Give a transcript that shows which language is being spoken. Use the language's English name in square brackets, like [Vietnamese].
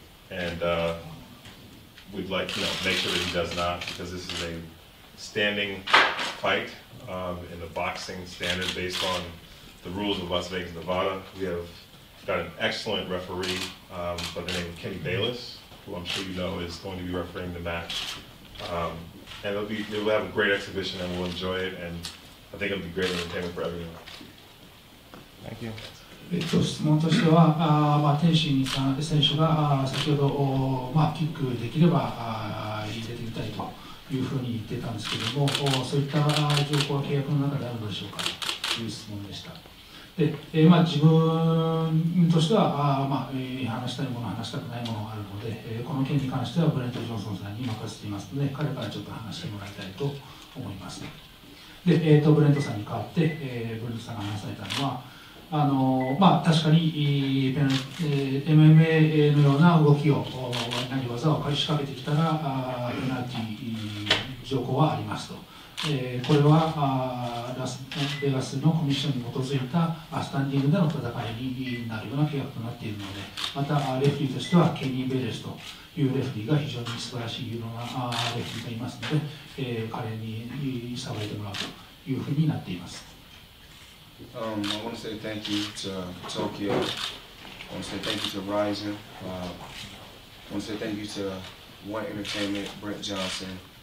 [English] And we'd like, you know, make sure that he does not, because this is a standing fight in the boxing standard based on the rules of Las Vegas, Nevada. We have got an excellent referee by the name of Kenny Bayless, who I'm sure you know is going to be refereeing the match. And it'll have a great exhibition and we'll enjoy it. And I think it'll be great entertainment for everyone. Thank you. [Japanese] 質問としては、天心さん選手が先ほど、まあ、キックできれば入れてみたいというふうに言ってたんですけども、そういった情報は契約の中であるのでしょうかという質問でした。で、まあ、自分としては、まあ、話したいもの、話したくないものがあるので、この件に関してはブレント・ジョンソンさんに任せていますので、彼からちょっと話してもらいたいと思います。で、ブレントさんに代わって、ブレントさんが話されたのは、まあ、確かに、MMA のような動きを、何技を仕掛けてきたら、ペナルティ条項はありますと。これは、ベガスのコミッションに基づいたスタンディングでの戦いになるような契約となっているので、また、レフリーとしては、ケニー・ベレスと。いうレフリーが非常に素晴らしい有能なレフリーがいますので、彼に捧げてもらうというふうになっています。 [English] I want to say thank you to Tokyo. I want to say thank you to Ryzen. I want to say thank you to One Entertainment, Brent Johnson.